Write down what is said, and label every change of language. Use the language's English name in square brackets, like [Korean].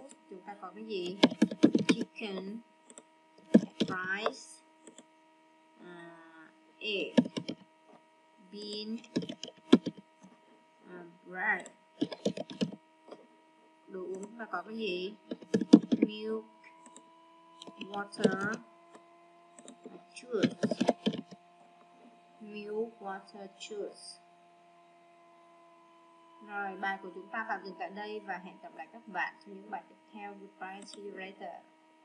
[Vietnamese] Chúng ta có cái gì? Chicken. Rice. Egg, bean, bread, đồ uống và có cái gì? [English] Milk, water, juice, milk, water, juice. [Vietnamese] Rồi, bài của chúng ta tạm dừng tại đây và hẹn gặp lại các bạn trong những bài tiếp theo. [English] Goodbye, see you later.